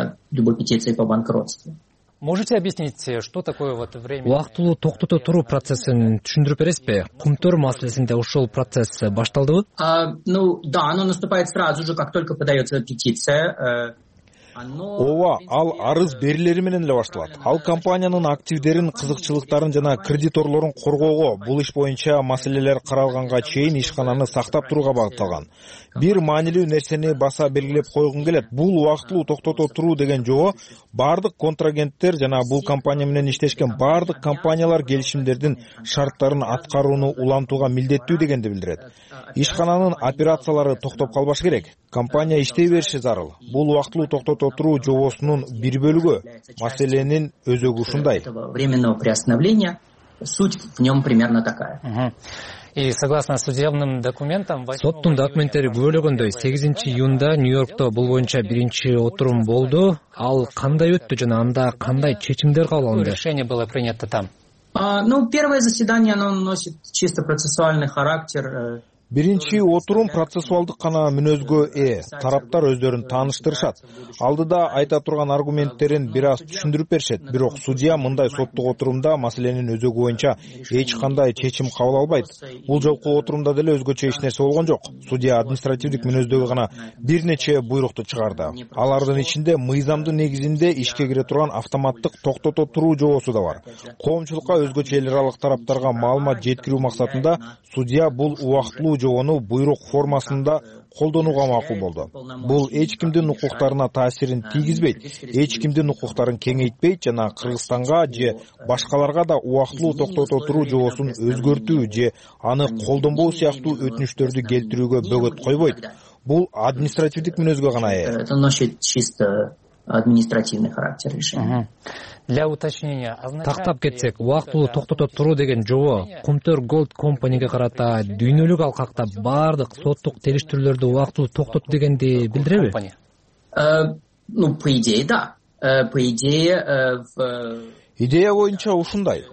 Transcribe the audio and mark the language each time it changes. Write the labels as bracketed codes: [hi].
[ru] Любой петиции по банкротству. Можете объяснить, что такое вот время? [ky] Убактылуу токтото туруу процессин түшүндүрүп бересизби? Кумтөр маселесинде ушул процесс башталдыбы? [ru] Оно наступает сразу же, как только подается петиция. [ky] Ооба, ал арыз берилери менен эле башталат. Ал компаниянын активдерин, кызыкчылыктарын жана кредиторлорун коргоого, бул иш боюнча маселелер каралганга чейин ишкананы сактап турууга багытталган. Бир маанилүү нерсени баса белгилеп койгум келет. Бул убактылуу токтото туруу деген жобо бардык контрагенттер жана бул компания менен иштешкен бардык компаниялар келишимдердин шарттарын аткарууну улантууга милдеттүү дегенди билдирет. Ишкананын операциялары токтоп калбаш керек. Компания иштей бериши зарыл. Бул убактылуу токтото туруу жобосунун бир бөлүгү. Маселенин өзөгү ушундай. [ru] Временного приостановления суть в нем примерно такая. И согласно судебным документам, [ky] соттун документтери бөлүгөндөй 8 июнда Нью-Йоркто бул боюнча биринчи отурум болду. Ал кандай өттү жана анда кандай чечимдер кабылданды? [ru] Решение было принято там. Ну, первое заседание, оно носит чисто процессуальный характер. [ky] Биринчи отурум процессуалдык гана мүнөзгө ээ. Тараптар өздөрүн тааныштырышат. Алдыда айта турган аргументтерин бир аз түшүндүрүп беришет. Бирок судья мындай соттук отурумда маселенин өзөгү боюнча эч кандай чечим кабыл албайт. Бул жолку отурумда деле өзгөчө эч нерсе болгон жок. Судья административдик мүнөздөгү гана бир нече буйрукту чыгарды. Алардын ичинде мыйзамдын негизинде ишке кире турган автоматтык токтото туруу жобосу да бар. Коомчулукка өзгөчө эл аралык тараптарга маалымат жеткирүү максатында судья бул убакыт жобону буйрук формасында колдонууга макул болду. Бул эч кимдин укуктарына таасирин тийгизбейт, эч кимдин укуктарын кеңейтпейт жана Кыргызстанга же башкаларга да убактылуу токтото туруу жобосун өзгөртүү же аны колдонбоо сыяктуу өтүнүчтөрдү келтирүүгө бөгөт койбойт. Бул административдик мүнөзгө гана ээ. [ru] Это носит чисто административный характер решения. Для уточнения, означает... [ky] Тактап кетсек, убактылуу токтото туруу деген жобо Кумтөр Голд компанияга карата дүйнөлүк алкакта бардык соттук териштирүүлөрдү убактылуу токтот дегенди билдиреби? [ru] Ну, по идее, да. По идее, [ky] идея боюнча ушундай.